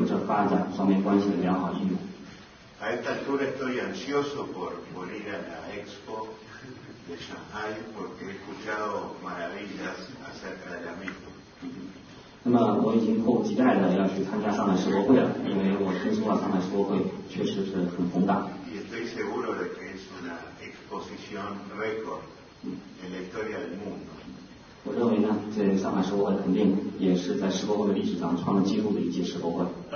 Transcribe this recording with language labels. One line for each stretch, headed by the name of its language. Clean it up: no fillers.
Chinese: 今天的周主席应该感谢您的授恩，所以再一次呢向您表示感谢。通过您的新疆一的讲话，我们可以体会到中苏双方都有着发展双边关系的良好意愿。
Spanish: A esta altura estoy ansioso por ir a la Expo de Shanghai porque he escuchado maravillas acerca de la misma.
Chinese: 那么我已经迫不及待的要去参加上海世博会了，因为我听说了上海世博会确实是很宏大。
Spanish: Y estoy seguro de que es una exposición récord en la historia del mundo.
Chinese: 我认为呢，这上海世博会肯定也是在世博会的历史上创了纪录的一届世博会。